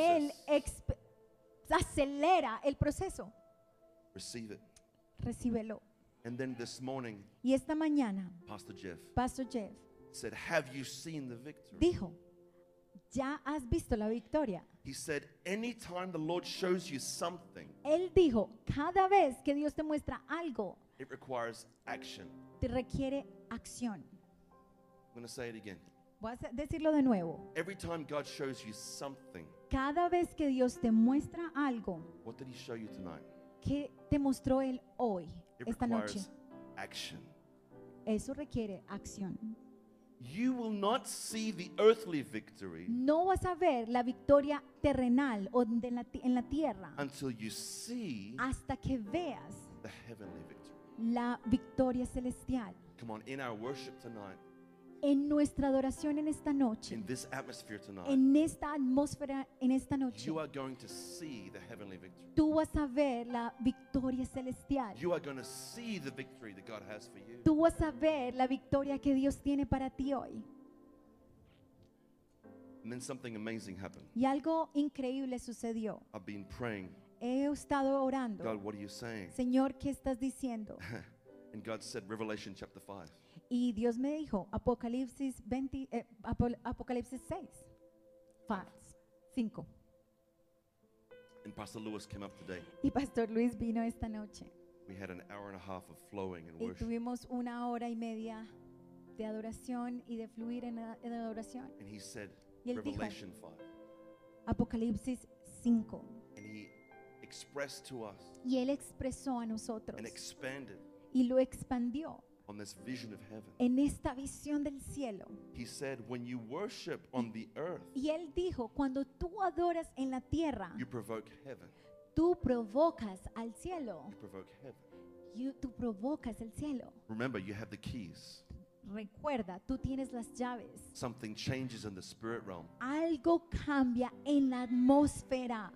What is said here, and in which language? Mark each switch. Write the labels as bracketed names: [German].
[Spanish] Él acelera el proceso. [English] Receive it. [Spanish] Recíbelo. [English] And then this morning. [Spanish] Y esta mañana. [English] Pastor Jeff. Said, "Have you seen the victory?" [Spanish] Dijo, ¿ya has visto la victoria? [English] He said, "Anytime the Lord shows you something." [Spanish] Él dijo, cada vez que Dios te muestra algo. [English] It requires action. [Spanish] Te requiere acción. [English] I'm going to say it again. [Spanish] Voy a decirlo de nuevo. [English] Every time God shows you something. [Spanish] Cada vez que Dios te muestra algo. [English] What did he show you tonight? [Spanish] ¿Qué te mostró él hoy, esta noche? [English] It requires action. [Spanish] Eso requiere acción. [English] You will not see the earthly victory. [Spanish] No vas a ver la victoria terrenal o en la tierra. [English] Until you see. [Spanish] Hasta que veas. [English] The heavenly victory. [Spanish] La victoria celestial. [English] Come on, in our worship tonight. [Spanish] en nuestra adoración en esta noche, [English] in this atmosphere tonight, [Spanish] en esta atmósfera en esta noche, [English] you are going to see the heavenly victory. [Spanish] Tú vas a ver la victoria celestial. [English] You are going to see the victory that God has for you. [Spanish] Tú vas a ver la victoria que Dios tiene para ti hoy. [English] And then something amazing happened. [Spanish] Y algo increíble sucedió. [English] I've been praying. [Spanish] He estado orando. [English] God, what are you saying? [Spanish] Señor, ¿qué estás diciendo? [English] And God said, Revelation chapter 5. [Spanish] Y Dios me dijo, Apocalipsis 5. [English] And Pastor Luis came up today. [Spanish] Y Pastor Luis vino esta noche. [English] We had an hour and a half of flowing and [Spanish] y [English] worship. [Spanish] Y tuvimos una hora y media de adoración y de fluir en adoración. [English] And he said, [Spanish] y él [English] Revelation [Spanish] dijo, 5. Apocalipsis 5. [English] And he expressed to us. [Spanish] Y él expresó a nosotros. [English] And expanded. [Spanish] Y lo expandió. [English] On this vision of heaven. [Spanish] En esta visión del cielo. [English] He said, when you worship on the earth. [Spanish] Y él dijo, cuando tú adoras en la tierra. [English] You provoke heaven. [Spanish] Tú provocas al cielo. [English] You provoke heaven. [Spanish] Tú provocas el cielo. [English] Remember, you have the keys. [Spanish] Recuerda, tú tienes las llaves. [English] Something changes in the spirit realm. [Spanish] Algo cambia en la atmósfera.